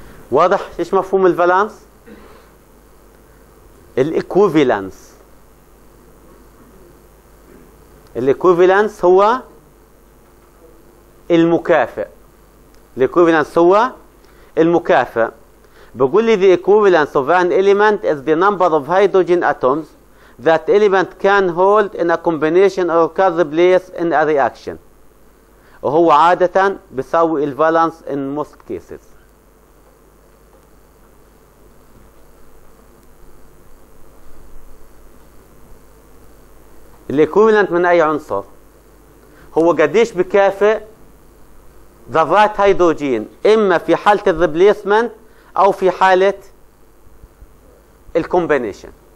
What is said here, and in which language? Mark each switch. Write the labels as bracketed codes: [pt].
[ar] واضح ايش مفهوم الفالانس؟ الإكويفالنس. الإكويفالنس هو المكافئ. الإكويفالنس هو المكافئ. بقول لي [en] the equivalence of an element is the number of hydrogen atoms that element can hold in a combination or occurs place in a reaction. [ar] وهو عادة بيساوي الفالانس [en] in most cases. [ar] الإكويفالنت من أي عنصر؟ هو قديش بكافئ ذرات هيدروجين إما في حالة الريبليسمنت أو في حالة الكومبينيشن.